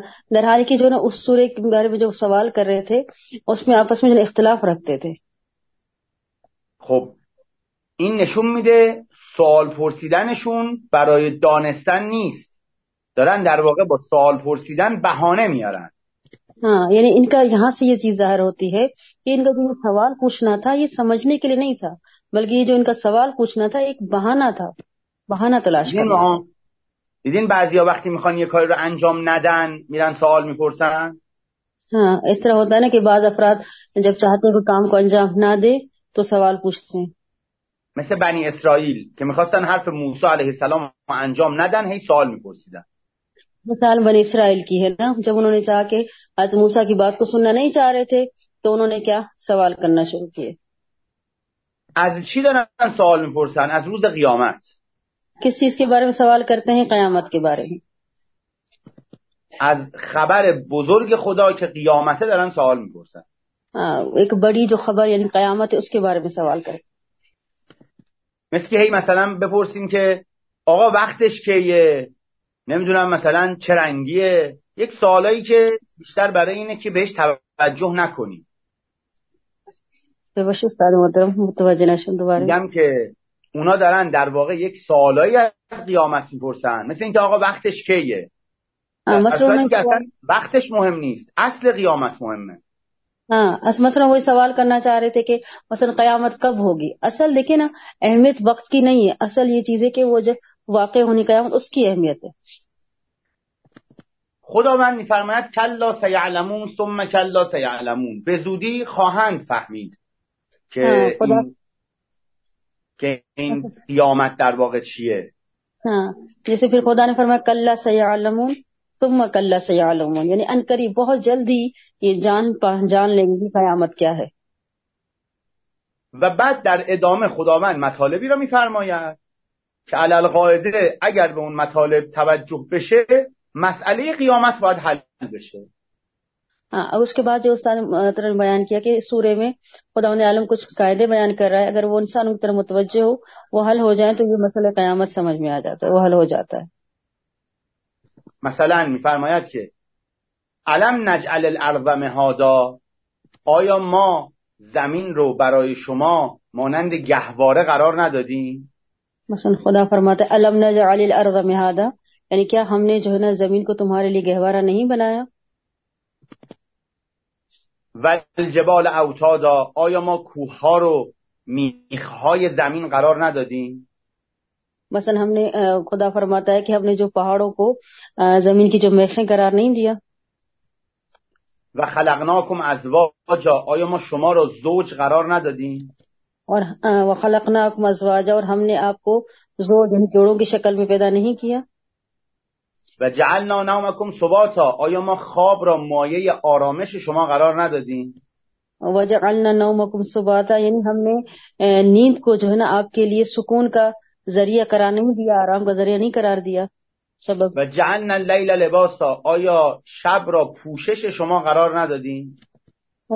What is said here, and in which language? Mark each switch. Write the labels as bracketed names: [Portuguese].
[Urdu] در حالی که جو نا اس سورے کے بارے میں جو سوال کر رہے تھے اس میں آپس میں جو اختلاف رکھتے تھے. [Persian] خب این نشون میده سوال پرسیدنشون برای دانستن نیست، دارن در واقع با سوال پرسیدن بهانه میارن. [Urdu] یعنی ان کا یہاں سے یہ چیز ظاہر ہوتی ہے کہ ان کا جو سوال پوچھنا تھا یہ سمجھنے کے لیے نہیں تھا، بلکہ یہ جو ان کا سوال پوچھنا تھا ایک بہانہ تھا، بہانہ تلاش کرنا. [Persian] دیدین بعضیا وقتی میخوان یه کاری رو انجام ندن میرن سوال میپرسن. [Urdu] ہاں اس طرح ہوتا ہے نا کہ بعض افراد جب چاہتے ہیں کہ کام کو انجام نہ دے تو سوال پوچھتے ہیں. [Persian] مثل بنی اسرائیل که میخواستن حرف موسی علیہ السلام رو انجام ندن، هی سوال میپرسیدن. [Urdu] مثال بنی اسرائیل کی ہے نا، جب انہوں نے چاہا کہ حضرت موسی کی بات کو سننا نہیں چاہ رہے تھے تو انہوں نے کیا سوال کرنا شروع کیے. [Persian] از چی دارن سوال میپرسن؟ از روز قیامت. [Urdu] کس چیز کے بارے میں سوال کرتے ہیں؟ قیامت کے بارے میں. [Persian] از خبر بزرگ خدا که قیامت دارن سوال میپرسن. [Urdu] ایک بڑی جو خبر یعنی قیامت ہے اس کے بارے میں سوال کریں. [Persian] مثل که هی مثلا بپرسین که آقا وقتش کیه، نمیدونم مثلا چه رنگیه، یک سوالایی که بیشتر برای اینه که بهش توجه نکنی. ببخش استاد محترم متوجه نشدم دوباره. میگم که اونا دارن در واقع یک سوالایی از قیامت میپرسن، مثل اینکه آقا وقتش کیه. اصلا وقتش مهم نیست، اصل قیامت مهمه. [Urdu] ہاں مثلا وہی سوال کرنا چاہ رہے تھے کہ مثلا قیامت کب ہوگی. اصل دیکھیں نا اہمیت وقت کی نہیں ہے، اصل یہ چیز ہے کہ وہ جب واقع ہونی قیامت اس کی اہمیت ہے. [Persian] خداوند فرماید [Arabic] کلا سیعلمون ثم کلا سیعلمون، [Persian] به زودی خواهند فهمید که خدا... که این قیامت در واقع چیه. [Urdu] ہاں جیسے پھر خدا نے فرمایا [Arabic] کلا سیعلمون ثم کلا سیعلمون، [Urdu] یعنی ان قریب بہت جلدی یہ جان پہچان لیں گی قیامت کیا ہے. [Persian] و بعد در ادامه خداوند مطالبی را میفرماید که علی القاعده اگر به اون مطالب توجه بشه مسئله قیامت باید حل بشه. [Urdu] ہاں اس کے بعد جو استاد نے بیان کیا کہ سورے میں خداوند عالم کچھ قاعدے بیان کر رہا ہے، اگر وہ انسان کی طرف متوجہ ہو وہ حل ہو جائے تو یہ مسئلہ قیامت سمجھ میں آ جاتا ہے، وہ حل ہو جاتا ہے. [Persian] مثلا میفرماید که [Arabic] علم نجعل الارض مهادا، [Persian] آیا ما زمین رو برای شما مانند گهواره قرار ندادیم؟ [Urdu] مثلا خدا فرماتا [Arabic] علم نجعل الارض مهادا، [Urdu] یعنی کیا ہم نے جو ہے نا زمین کو تمہارے لیے گہوارہ نہیں بنایا؟ [Arabic] والجبال اوتادا، [Persian] آیا ما کوه ها رو میخ های زمین قرار ندادیم؟ [Urdu] مثلا ہم نے خدا فرماتا ہے کہ ہم نے جو پہاڑوں کو زمین کی جو میخیں قرار نہیں دیا. [Arabic] و خلقناکم ازواجا، [Persian] آیا ما شما رو زوج قرار ندادیم؟ [Urdu] اور [Arabic] و خلقناکم ازواجا، [Urdu] اور ہم نے آپ کو زوج یعنی جوڑوں کی شکل میں پیدا نہیں کیا. [Arabic] و جعلنا نومکم سباتا، [Persian] آیا ما خواب را مایه آرامش شما قرار ندادیم؟ [Arabic] و جعلنا نومکم سباتا، [Urdu] یعنی ہم نے نیند کو جو ہے نا آپ کے لیے سکون کا ذریعہ قرار نہیں دیا، آرام کا ذریعہ نہیں قرار دیا سبب. [Arabic] و جعلنا اللیل لباسا، [Persian] آیا شب را پوشش شما قرار ندادیم؟